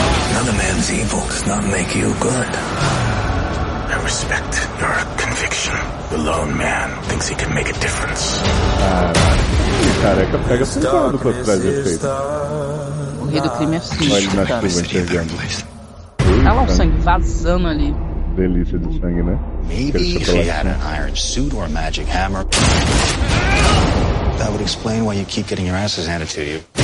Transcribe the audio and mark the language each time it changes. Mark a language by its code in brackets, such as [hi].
[en] Another man's evil does not make you good. I respect your conviction. The lone man thinks he can make a difference. [pt] Careca pega pesado pra trás de efeito. O rei do crime é sujo. Olha, na chuva enxergando. Tá lá o sangue vazando ali. Delícia de sangue, né? [en] Maybe if he had an iron suit or a magic hammer. That would explain why you keep getting your asses handed to you.